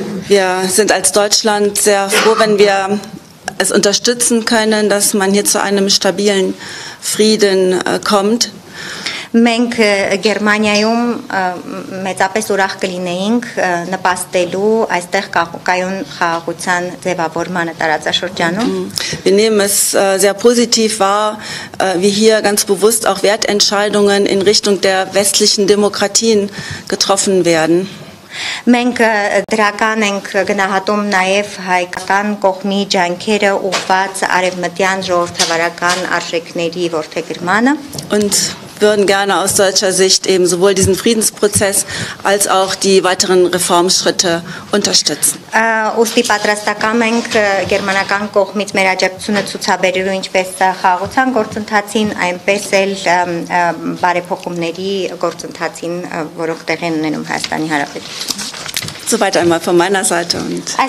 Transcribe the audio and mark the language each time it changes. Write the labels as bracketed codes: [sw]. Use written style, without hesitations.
[de] Wir sind als Deutschland sehr froh, wenn wir es unterstützen können, dass man hier zu einem stabilen Frieden kommt. [hy] Մենք Գերմանիայում մեծապես ուրախ կլինեինք նպաստելու այստեղ կայուն խաղաղության ձևավորմանը տարածաշրջանում. [de] Wir nehmen es sehr positiv wahr, wie hier ganz bewusst auch Wertentscheidungen in Richtung der westlichen Demokratien getroffen werden. [hy] Մենք դրական ենք գնահատում նաև հայկական կողմի ջանքերը ուղված արևմտյան ժողովրդավարական արժեքների որդեգրմանը. [de] Und würden gerne aus deutscher Sicht eben sowohl diesen Friedensprozess als auch die weiteren Reformschritte unterstützen. [hy] Ուստի պատրաստակամ ենք գերմանական կողմից մեր աջակցությունը ցուցաբերելու ինչպես խաղաղության գործընթացին, այնպես էլ բարեփոխումների գործընթացին, որոնք տեղ են ունենում Հայաստանի Հանրապետությունում. [de] Soweit einmal von meiner Seite und